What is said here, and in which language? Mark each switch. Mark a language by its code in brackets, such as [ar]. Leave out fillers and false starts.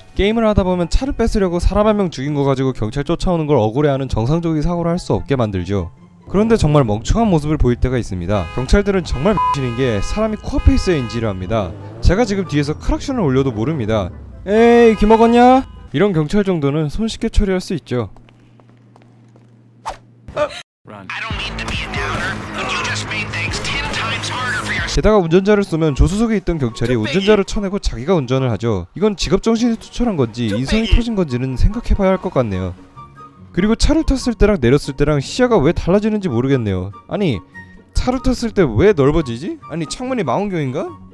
[ko] 게임을 하다보면 차를 뺏으려고 사람 한 명 죽인 거 가지고 경찰 쫓아오는 걸 억울해하는 정상적인 사고를 할 수 없게 만들죠. 그런데 정말 멍청한 모습을 보일 때가 있습니다. 경찰들은 정말 미치는 게 사람이 코앞에 있어야 인지를 합니다. 제가 지금 뒤에서 크락션을 올려도 모릅니다. 에이, 귀 먹었냐? 이런 경찰 정도는 손쉽게 처리할 수 있죠. [en] Run. I don't mean to be a downer, but you just made things 10 times harder for yourself. [ko] 게다가 운전자를 쏘면 조수석에 있던 경찰이 운전자를 쳐내고 자기가 운전을 하죠. 이건 직업정신이 투철한 건지 인성이 터진 건지는 생각해봐야 할 것 같네요. 그리고 차를 탔을 때랑 내렸을 때랑 시야가 왜 달라지는지 모르겠네요. 아니, 차를 탔을 때 왜 넓어지지? 아니, 창문이 망원경인가?